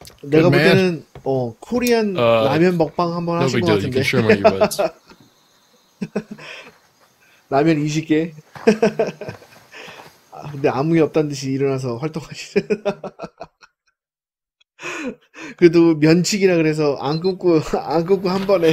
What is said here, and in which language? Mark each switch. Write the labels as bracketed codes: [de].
[ko] 내가 볼 때는 코리안 라면 먹방 한번 하신 것 같은데. [en] No big deal, you can share my earbuds. [ko] 라면 20개. 근데 아무 일 없다는 듯이 일어나서 활동하시는... 그래도 면치기라 그래서 안 끊고 한 번에.